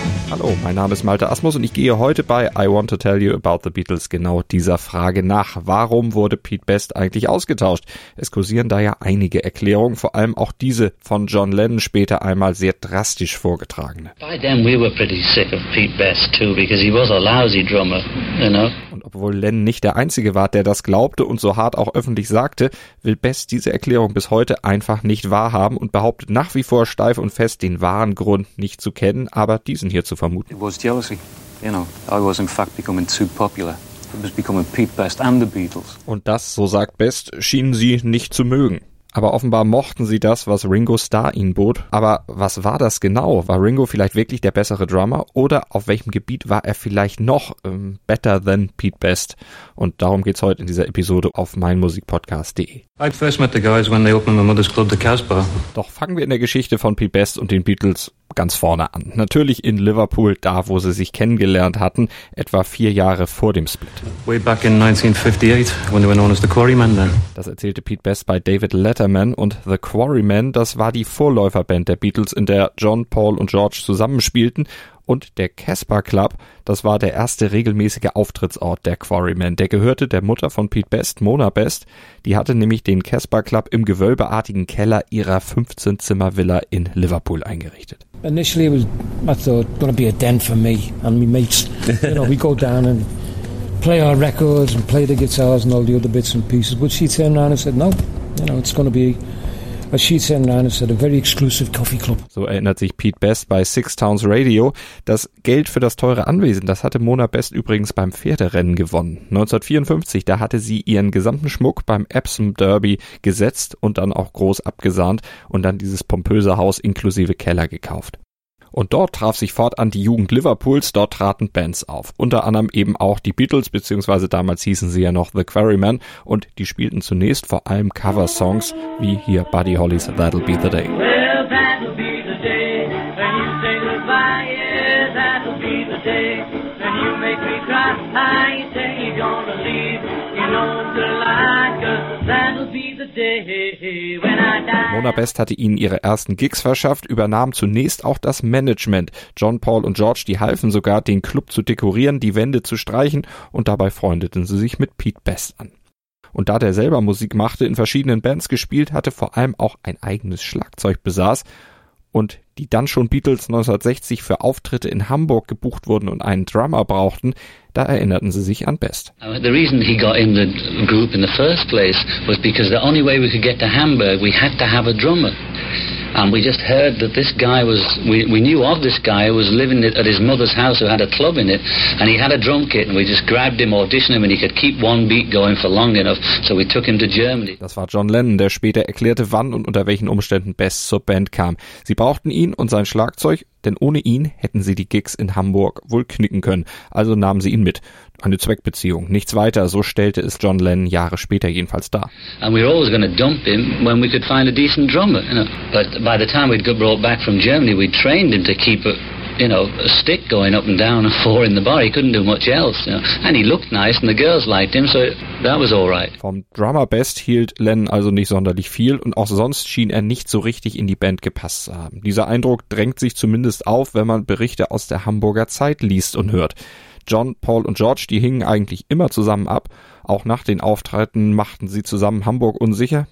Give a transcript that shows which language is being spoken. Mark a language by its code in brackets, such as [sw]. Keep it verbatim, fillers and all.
[de] Hallo, mein Name ist Malte Asmus und ich gehe heute bei I Want to Tell You About the Beatles genau dieser Frage nach. Warum wurde Pete Best eigentlich ausgetauscht? Es kursieren da ja einige Erklärungen, vor allem auch diese von John Lennon später einmal sehr drastisch vorgetragene. [en] By then we were pretty sick of Pete Best too, because he was a lousy drummer, you know. [de] Und obwohl Lennon nicht der Einzige war, der das glaubte und so hart auch öffentlich sagte, will Best diese Erklärung bis heute einfach nicht wahrhaben und behauptet nach wie vor steif und fest, den wahren Grund nicht zu kennen, aber diesen hier zu vermuten. [en] It was jealousy, you know. I was in fact becoming too popular. It was becoming Pete Best and the Beatles. [de] Und das, so sagt Best, schienen sie nicht zu mögen. Aber offenbar mochten sie das, was Ringo Starr ihnen bot. Aber was war das genau? War Ringo vielleicht wirklich der bessere Drummer? Oder auf welchem Gebiet war er vielleicht noch ähm, [en] better than Pete Best? [de] Und darum geht's heute in dieser Episode auf meinmusikpodcast punkt de. [en] I first met the guys when they opened my mother's club, the Casbah. [de] Doch fangen wir in der Geschichte von Pete Best und den Beatles ganz vorne an. Natürlich in Liverpool, da wo sie sich kennengelernt hatten, etwa vier Jahre vor dem Split. [en] Way back in nineteen fifty-eight, when they were known as the Quarrymen then. [de] Das erzählte Pete Best bei David Letterman, und The Quarrymen, das war die Vorläuferband der Beatles, in der John, Paul und George zusammenspielten. Und der Casbah Club, das war der erste regelmäßige Auftrittsort der Quarrymen. Der gehörte der Mutter von Pete Best, Mona Best. Die hatte nämlich den Casbah Club im gewölbeartigen Keller ihrer fünfzehn-Zimmer-Villa in Liverpool eingerichtet. [en] Initially it was, I thought, gonna be a den for me and my mates. You know, we go down and play our records and play the guitars and all the other bits and pieces. But she turned around and said, no, you know, it's gonna be... [de] So erinnert sich Pete Best bei Six Towns Radio. Das Geld für das teure Anwesen, das hatte Mona Best übrigens beim Pferderennen gewonnen. neunzehnhundertvierundfünfzig, da hatte sie ihren gesamten Schmuck beim Epsom Derby gesetzt und dann auch groß abgesahnt und dann dieses pompöse Haus inklusive Keller gekauft. Und dort traf sich fortan die Jugend Liverpools, dort traten Bands auf. Unter anderem eben auch die Beatles, beziehungsweise damals hießen sie ja noch The Quarrymen, und die spielten zunächst vor allem Cover-Songs, wie hier Buddy Holly's That'll Be the Day. [en] Well, that'll be the day, when you say goodbye, yeah, that'll be the day, when you make me cry, I say you're gonna leave, you know the lie, 'cause that'll be the day, when I die. [de] Mona Best hatte ihnen ihre ersten Gigs verschafft, übernahm zunächst auch das Management. John, Paul und George, die halfen sogar, den Club zu dekorieren, die Wände zu streichen, und dabei freundeten sie sich mit Pete Best an. Und da der selber Musik machte, in verschiedenen Bands gespielt hatte, vor allem auch ein eigenes Schlagzeug besaß und die dann schon Beatles neunzehnhundertsechzig für Auftritte in Hamburg gebucht wurden und einen Drummer brauchten, da erinnerten sie sich an Best. [en] The reason he got in the group in the first place was because the only way we could get to Hamburg, we had to have a drummer. And we just heard that this guy was, we, we knew of this guy who was living at his mother's house who had a club in it, and he had a drum kit, and we just grabbed him, auditioned him, and he could keep one beat going for long enough, so we took him to Germany. [de] Das war John Lennon, der später erklärte, wann und unter welchen Umständen Best zur Band kam. Sie brauchten ihn und sein Schlagzeug, denn ohne ihn hätten sie die Gigs in Hamburg wohl knicken können. Also nahmen sie ihn mit. Eine Zweckbeziehung, nichts weiter, so stellte es John Lennon Jahre später jedenfalls dar. [en] And we were always going to dump him when we could find a decent drummer, you know. But by the time we'd got brought back from Germany, we trained him to keep a, you know, a stick going up and down and four in the bar. He couldn't do much else, you know. And he looked nice and the girls liked him, so that was all right. [de] Vom Drummer Best hielt Lennon also nicht sonderlich viel und auch sonst schien er nicht so richtig in die Band gepasst zu haben. Dieser Eindruck drängt sich zumindest auf, wenn man Berichte aus der Hamburger Zeit liest und hört. John, Paul und George, die hingen eigentlich immer zusammen ab. Auch nach den Auftritten machten sie zusammen Hamburg unsicher.